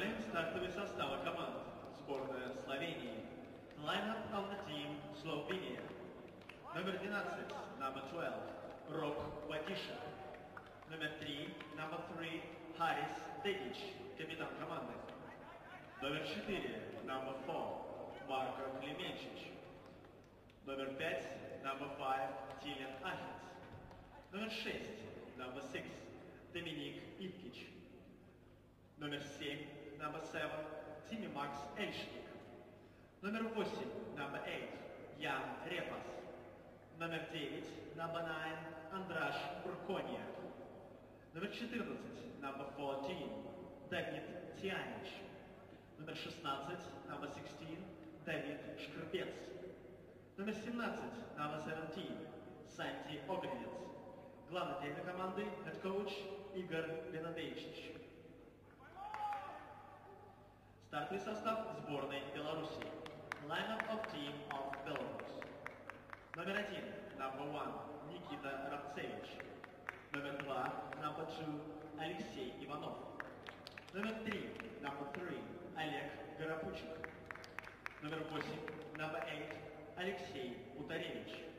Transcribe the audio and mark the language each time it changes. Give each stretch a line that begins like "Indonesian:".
Russian: стартовый состав команд сборная Словении.
English: Lineup of the team Slovenia.
Russian: Номер 12,
English: number 12, Rok Vatisha.
Russian: Номер 3,
English: number 3,
Russian: Harris Dedich, капитан команды. Номер 4,
English: number 4,
Russian: Marko Klimenčič. Номер 5,
English: number 5,
Russian: Tilian Ahitz. Номер 6,
English: number 6,
Russian: Dominik Ipkic. Номер 7,
English: number 7,
Russian: Timi Max Elšnik. Номер 8,
English: number 8,
Russian: Jan Repas. Номер 9,
English: number 9,
Russian: Andras Burkoniak. Номер 14,
English: number 14,
Russian: Давид Тианич. Номер 16,
English: number 16,
Russian: Давид Шкрпец. Номер 17,
English: number 17,
Russian: Санти Огненец. Главный тренер команды,
English: head coach,
Russian: Игорь Бенадейчич. Стартовый состав сборной Беларуси.
English: Lineup of team of Belarus.
Russian: Номер 1,
English: number 1,
Russian: Никита Рабцевич. Номер 2,
English: number 2,
Russian: Алексей Иванов. Номер 3,
English: number 3,
Russian: Олег Горопучик. Номер 8,
English: number 8,
Russian: Алексей Утаревич.